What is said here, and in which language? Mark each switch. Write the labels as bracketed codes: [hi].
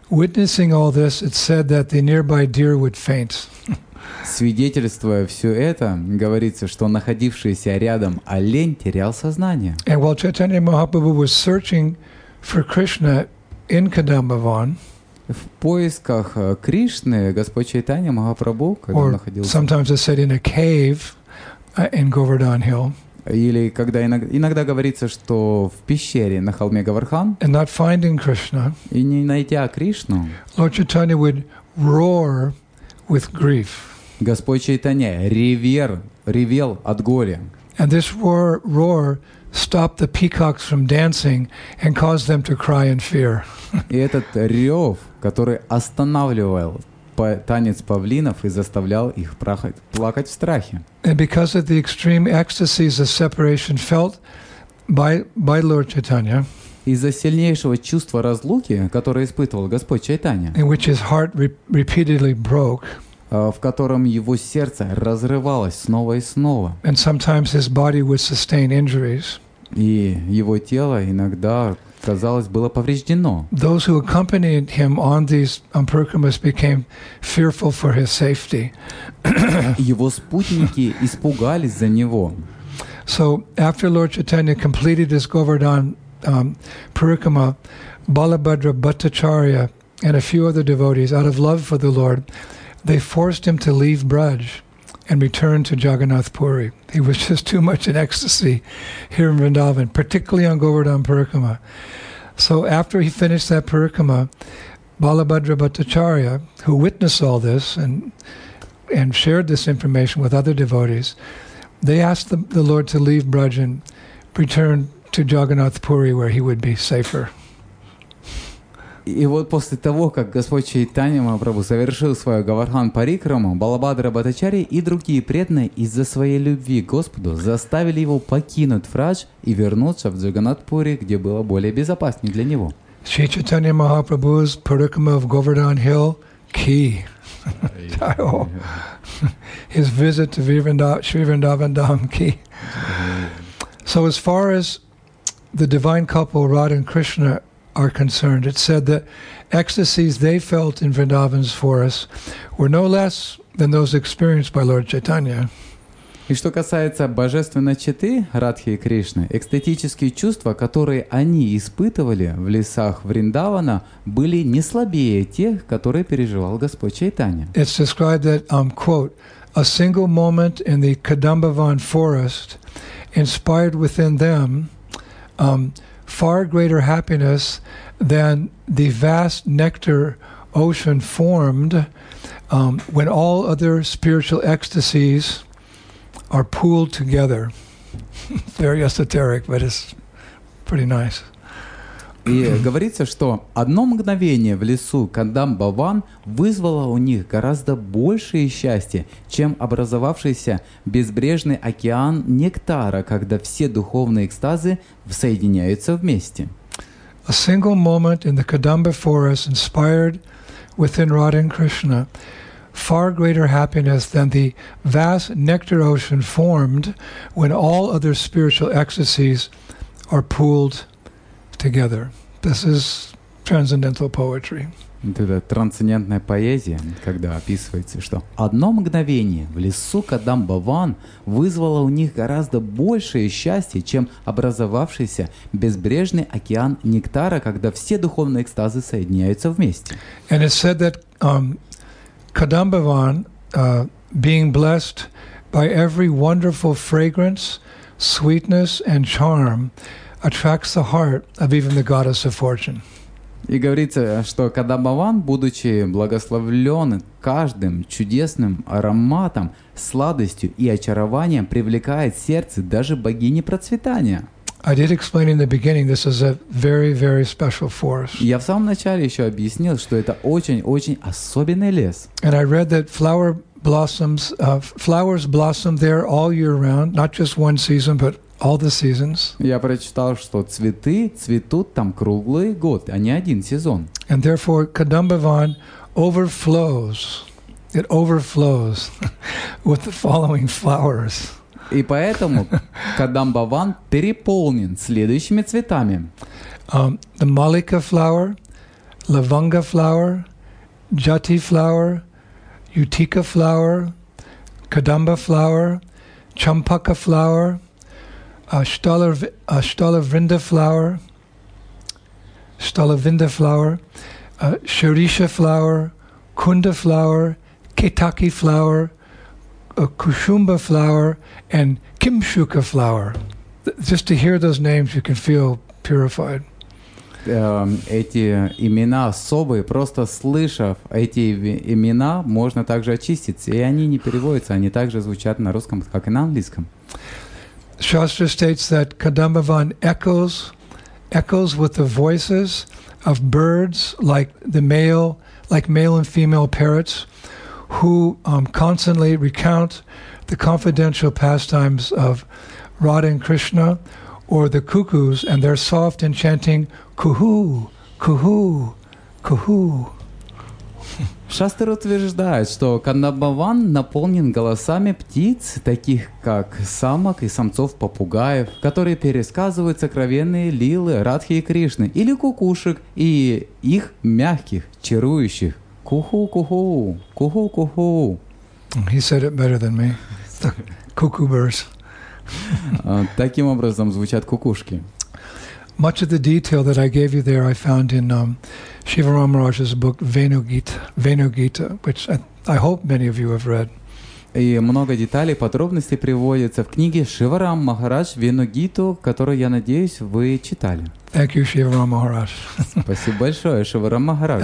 [en] Witnessing all this, it said that the nearby deer would faint. [ru] Свидетельствуя все это, говорится, что находившийся рядом олень терял сознание. [en] And while Chaitanya Mahaprabhu was searching for Krishna in Kadambavan, [ru] в поисках Кришны Господь Чайтанья Махапрабху, когда он находился, [en] sometimes they said in a cave in Govardhan Hill, [ru] или когда иногда говорится, что в пещере на холме Говардхан, [en] and not finding Krishna, [ru] и не найдя Кришну, [en] Lord Chaitanya would roar with grief. [ru] Господь Чайтанья ревел от горя. [en] And this roar stopped the peacocks from dancing and caused them to cry in fear. [ru] И этот рев, который останавливал танец павлинов и заставлял их плакать в страхе. [en] And because of the extreme ecstasies of separation felt by Lord Chaitanya, [ru] из-за сильнейшего чувства разлуки, которое испытывал Господь Чайтанья, [en] in which his heart repeatedly broke, [ru] в котором его сердце разрывалось снова и снова. [en] And sometimes his body would sustain injuries. [ru] И его тело иногда, казалось, было повреждено. [en] Those who accompanied him on these pilgrimages became fearful for his safety. [ru] Его спутники испугались за него. [en] So after Lord Chaitanya completed his Govardhan pilgrimage, Balabhadra Bhattacharya and a few other devotees, out of love for the Lord, they forced him to leave Braj and return to Jagannath Puri. He was just too much in ecstasy here in Vrindavan, particularly on Govardhan Parikrama. So after he finished that Parikrama, Balabhadra Bhattacharya, who witnessed all this and shared this information with other devotees, they asked the Lord to leave Braj and return to Jagannath Puri, where he would be safer. [ru] И вот после того, как Господь Чайтанья Махапрабху совершил свою Говардхан Парикраму, Балабхадра Бхаттачарья и другие преданные из-за своей любви к Господу заставили его покинуть Врадж и вернуться в Джаганатхпури, где было более безопаснее для него. Шри Чайтанья Махапрабху's Парикрама в Говардхан Хилл – key. [en] His visit to Shri Vrindavan Dham – key. So as far as the divine couple Radha and Krishna are concerned, it said that ecstasies they felt in Vrindavan's forest were no less than those experienced by Lord Chaitanya. [ru] И что касается божественной четы Радхи и Кришны, экстатические чувства, которые они испытывали в лесах Вриндавана, были не слабее тех, которые переживал Господь Чайтанья. [en] It's described that, quote, a single moment in the Kadambavan forest inspired within them far greater happiness than the vast nectar ocean formed when all other spiritual ecstasies are pooled together. Very esoteric, but it's pretty nice. [ru] И говорится, что одно мгновение в лесу Кадамбаван вызвало у них гораздо большее счастье, чем образовавшийся безбрежный океан нектара, когда все духовные экстазы соединяются вместе. [en] A single moment in the Kadamba forest inspired within Radha and Krishna far greater happiness than the vast nectar ocean formed when all other spiritual ecstasies are pooled together. This is transcendental poetry. [ru] Это трансцендентная поэзия, когда описывается, что одно мгновение в лесу Кадамбаван вызвало у них гораздо большее счастье, чем образовавшийся безбрежный океан нектара, когда все духовные экстазы соединяются вместе. [en] And it said that Kadambavan, being blessed by every wonderful fragrance, sweetness, and charm, attracts the heart of even the goddess of fortune. [ru] И говорится, что Кадамбаван, будучи благословлен каждым чудесным ароматом, сладостью и очарованием, привлекает сердце даже богини процветания. [en] I did explain in the beginning this is a very, very special forest. [ru] Я в самом начале еще объяснил, что это очень-очень особенный лес. [en] And I read that flowers blossom there all year round, not just one season, but all the seasons. [ru] Я прочитал, что цветы цветут там круглый год, а не один сезон. [en] And therefore, Kadambavan overflows. It overflows with the following flowers. [ru] И поэтому Кадамбаван переполнен следующими цветами. [en] The Malika flower, Lavanga flower, Jati flower, Utica flower, Kadamba flower, Champaka flower, Stalavrinda flower, Stalavinda flower, Sharisha flower, Kunda flower, Ketaki flower, Kushumba flower, and Kimshuka flower. Just to hear those names, you can feel purified. [ru] Эти имена особые, просто слышав эти имена, можно также очиститься. И они не переводятся, они также звучат на русском, как и на английском. [en] Shastra states that Kadambavan echoes with the voices of birds, like male and female parrots, who constantly recount the confidential pastimes of Radha and Krishna, or the cuckoos, and their soft and chanting, "Cuckoo, cuckoo, cuckoo." [ru] Шастер утверждает, что Кандамбаван наполнен голосами птиц, таких как самок и самцов-попугаев, которые пересказывают сокровенные лилы Радхи и Кришны, или кукушек, и их мягких, чарующих. Куху-куху, куху-куху. [en] He said it better than me. The cuckoo birds. [ru] Таким образом звучат кукушки. [en] Much of the detail that I gave you there I found in Shiva Ramaraj's book Venugita, which I hope many of you have read. [ru] И много деталей, подробностей приводится в книге Шива Рам Махарадж Венугиту, которую, я надеюсь, вы читали. [en] Thank you, Shiva Ram Maharaj. [ru] Спасибо большое, Шива Рам Махарадж.